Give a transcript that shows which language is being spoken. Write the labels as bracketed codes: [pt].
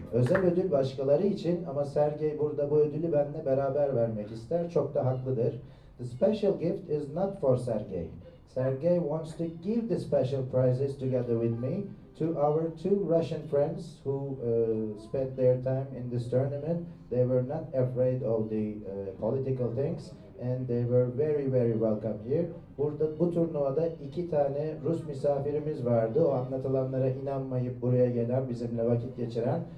[tr] Özel ödül başkaları için ama Sergey burada bu ödülü benimle beraber vermek ister. Çok da haklıdır. [en] The special gift is not for Sergey. Sergey wants to give the special prizes together with me to our two Russian friends who spent their time in this tournament. They were not afraid of the political things and they were very very welcome here. [tr] Burada bu turnuvada iki tane Rus misafirimiz vardı. O anlatılanlara inanmayıp buraya gelen, bizimle vakit geçiren.